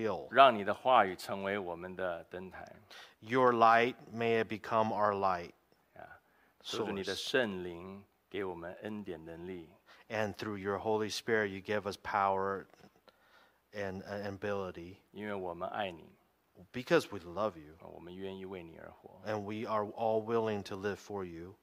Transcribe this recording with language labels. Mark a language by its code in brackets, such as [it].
[zh] 让你的话语成为我们的灯台。 [en] Your light, may it become our light. [zh] 求主你的圣灵给我们恩典能力。 [en] And through your Holy Spirit, you give us power and ability. [zh] 因为我们爱你。 [en] Because we love you. [zh] 我们愿意为你而活。 [en] And we are all willing to live for you.